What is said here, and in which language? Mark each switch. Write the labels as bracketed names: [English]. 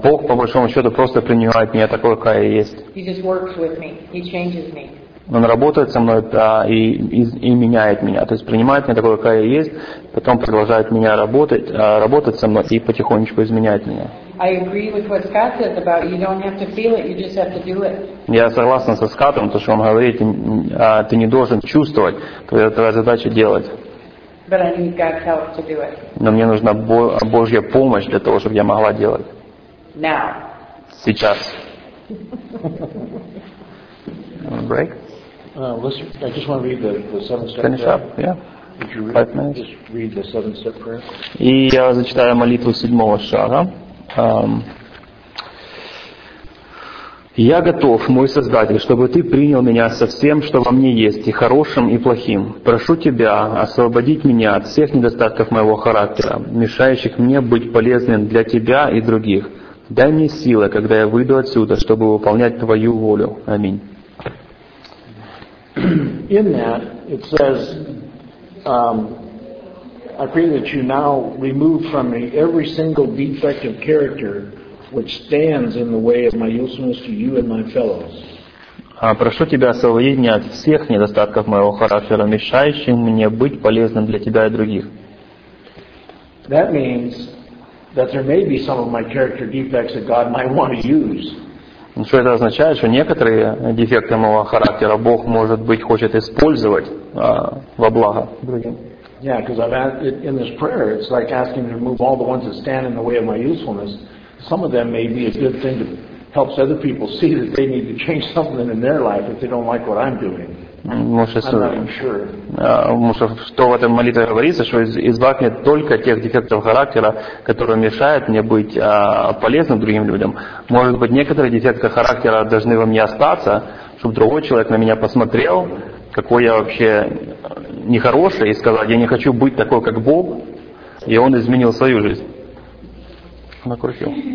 [Russian] Бог, по большому счету, просто принимает меня такой, какая я есть. [English] He just works with me. He changes me. [Russian] Он работает со мной и меняет меня. То есть принимает меня такой, какая я есть, потом продолжает меня работать со мной и потихонечку изменяет меня. [English] I agree with what Scott says about you don't have to feel it, you just have to do it. [Russian] Я согласен со Скаттом, то, что он говорит, ты не должен чувствовать, твоя задача делать. [English] But I need God's help to do it. [Russian] Но мне нужна Божья помощь для того, чтобы я могла делать. [English] Now. [Russian] Сейчас. [English] Break? I just want to read the seven step finish prayer. Up, yeah. Would you read, 5 minutes? Just read the seven step prayer. [Russian] И я зачитаю молитву седьмого шага. Я готов, мой Создатель, чтобы Ты принял меня со всем, что во мне есть, и хорошим, и плохим. Прошу Тебя освободить меня от всех недостатков моего характера, мешающих мне быть полезным для Тебя и других. Дай мне силы, когда я выйду отсюда, чтобы выполнять Твою волю. Аминь. [English] In that, it says, I pray that you now remove from me every single defect of character which stands in the way of my usefulness to you and my fellows. [Russian] Прошу тебя освободить меня от всех недостатков моего характера, мешающих мне быть полезным для тебя и других. [English] That means that there may be some of my character defects that God might want to use. [Russian] Что это означает, что некоторые дефекты моего характера Бог может быть хочет использовать во благо другим. [English] Yeah, because I've asked in this prayer, it's like asking to remove all the ones that stand in the way of my usefulness. Some of them may be a good thing to help other people see that they need to change something in their life if they don't like what I'm doing. I'm not even sure. [Russian] Только тех дефектов характера, которые мешают мне быть полезным другим людям. Может быть, некоторые дефекты характера должны во мне остаться, чтобы другой человек на меня посмотрел, какой я вообще нехороший, и сказать, я не хочу быть такой, как Бог, и он изменил свою жизнь. Накрутил.